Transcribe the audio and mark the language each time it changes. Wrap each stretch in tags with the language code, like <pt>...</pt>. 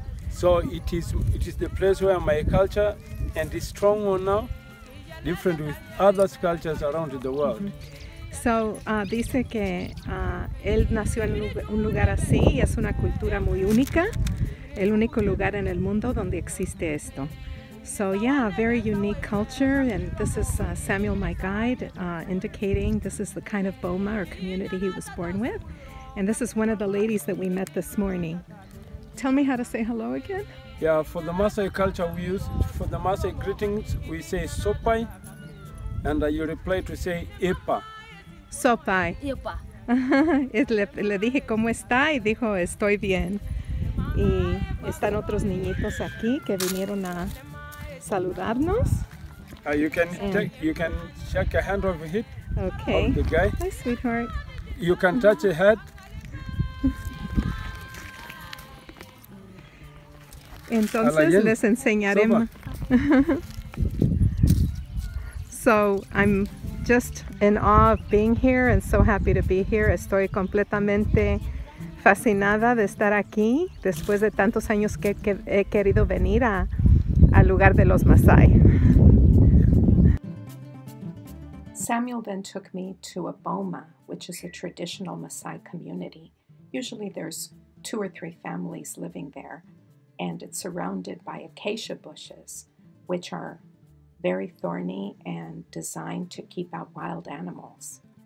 <en>So it is the place where my culture and the strong one now, different with other cultures around the world. Mm-hmm.</en> <es>So dice que él nació en un lugar así y es una cultura muy única, el único lugar en el mundo donde existe esto.</es> <en>So yeah, a very unique culture, and this is Samuel, my guide, indicating this is the kind of Boma or community he was born with. And this is one of the ladies that we met this morning. Tell me how to say hello again. Yeah, for the Maasai culture we use, for the Maasai greetings, we say sopai, and you reply to say epa.</en> <mas>Sopai. Epa.</mas> <es>Le dije, ¿cómo está? Y dijo, estoy bien. Y están otros niñitos aquí que vinieron a saludarnos.</es> <en>You can shake your hand over here. Okay. Of the guy. Hi, sweetheart. You can touch your head.</en> <es>Entonces les enseñaremos.</es> <en>So I'm just in awe of being here and so happy to be here.</en> <es>Estoy completamente fascinada de estar aquí después de tantos años que he querido venir al lugar de los Maasai.</es> <en>Samuel then took me to a boma, which is a traditional Maasai community. Usually there's 2 or 3 families living there. And it's surrounded by acacia bushes, which are very thorny and designed to keep out wild animals.</en>